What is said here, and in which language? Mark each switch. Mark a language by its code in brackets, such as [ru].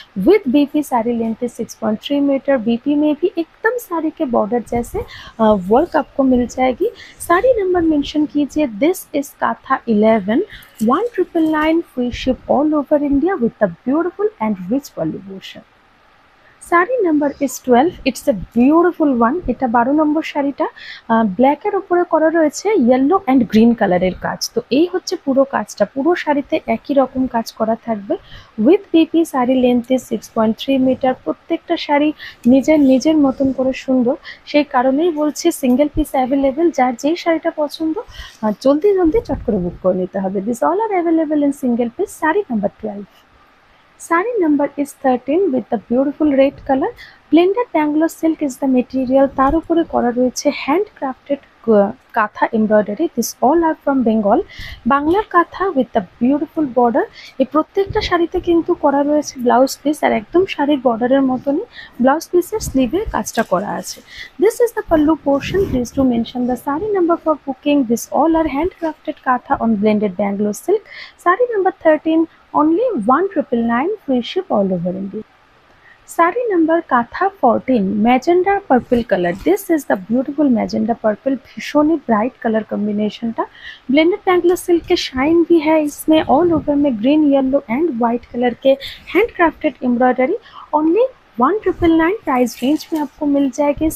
[en] With BP sari length is 6.3 metre. [hi] BP में भी एकदम साड़ी के बॉर्डर जैसे वर्क आपको मिल जाएगी। साड़ी नंबर मेंशन कीजिए, [en] This is Kantha 11। 1999 free ship all over India with a beautiful and rich volution. Sari number is 12, it's a beautiful one. [bn] এটা 12 নম্বর শাড়িটা ব্ল্যাকের উপরে করা রয়েছে ইয়েলো অ্যান্ড গ্রিন কালারের কাজ। তো এই হচ্ছে পুরো কাজটা, পুরো শাড়িতে একই রকম কাজ করা থাকবে। [en] With BP sari length is 6.3 metre. [bn] প্রত্যেকটা শাড়ি নিজের নিজের মতন করে সুন্দর, সেই কারণেই বলছি সিঙ্গেল পিস অ্যাভেলেবেল। যার যেই শাড়িটা পছন্দ জলদি জলদি চট করে বুক করে নিতে হবে। [en] This all are available in single piece. [bn] Sari number 12। [en] Sari number is 13 with the beautiful red colour. Blended Bangalore silk is the material, [bn] तार उपरे करा रही है [en] Hand crafted kantha embroidery. This all are from Bengal, [bn] বাংলার কাঁথা [en] With the beautiful border. [bn] এই প্রত্যেকটা শাড়িতে কিন্তু করা রয়েছে ব্লাউজ পিস, আর একদম শাড়ির বর্ডারের মতনই ব্লাউজ পিসের স্লিভে কাজটা করা আছে। [en] This is the pallu portion, please to mention the sari number for booking. This all are hand crafted kantha on blended Bangalore silk. Sari number 13, only 1999, free ship all over India. [hi] Sari number काथा 14, मैजेंडा purple colour. [en] this is the beautiful magenta purple, [hi] भीषण ही bright colour combination था। Blended Bangalore silk के shine भी है इसमें, all over में green yellow and white colour के hand crafted embroidery. Only 1999 price range में आपको मिल जाएगी।